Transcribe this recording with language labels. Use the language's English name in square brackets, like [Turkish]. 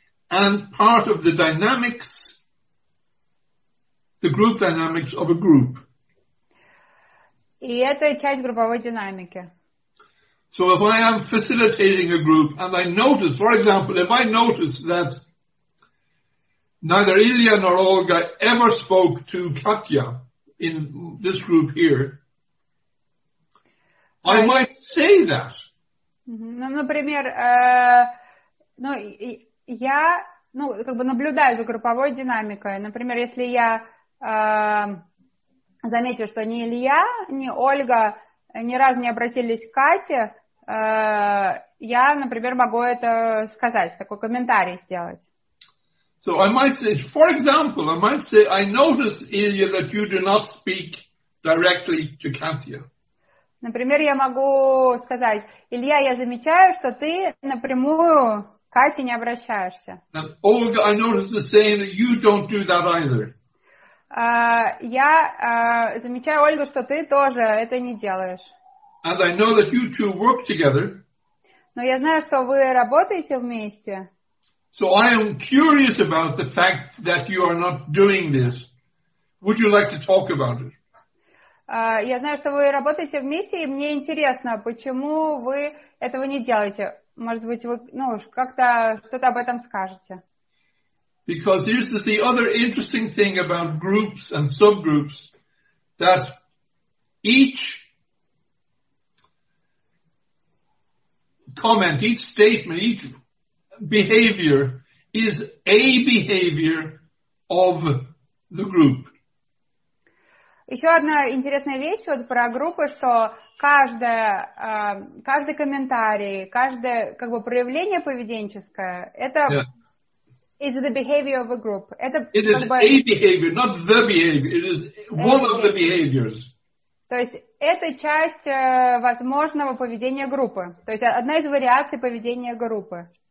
[English] And part of the dynamics, the group dynamics of a group. [Russian] И это часть групповой динамики. [English] So if I am facilitating a group and I notice, for example, if I notice that neither Ilya nor Olga ever spoke to Katya, in this group here, I might say that. [Russian] Ну, например, ну я, ну как бы наблюдаю за групповой динамикой. Например, если я заметил, что ни Илья, ни Ольга ни разу не обратились к Кате, я, например, могу это сказать, такой комментарий сделать. [English] So I might say, for example, I might say, I notice, Ilya, that you do not speak directly to Katya. [Russian] Например, я могу сказать, Илья, я замечаю, что ты напрямую к Кате не обращаешься. [English] And Olga, I notice the same, that you don't do that either. [Russian] Я замечаю, Ольга, что ты тоже это не делаешь. [English] And I know that you two work together. [Russian] Но я знаю, что вы работаете вместе. [English] So I am curious about the fact that you are not doing this. Would you like to talk about it? [Russian] Я знаю, что вы работаете вместе, и мне интересно, почему вы этого не делаете. Может быть, вы, ну, как-то что-то об этом скажете. [English] Because here's the other interesting thing about groups and subgroups, that each comment, each statement, each behavior is a behavior of the group. [Russian] Еще одна интересная вещь вот про группы, что каждая, каждый комментарий, каждое как бы проявление поведенческое, это [English] is the behavior of a group. [Russian] Это [English] it is [Russian] бы, [English] a behavior, not the behavior. It is one of the behaviors. [Russian] То есть это часть возможного поведения группы. То есть одна из вариаций поведения группы.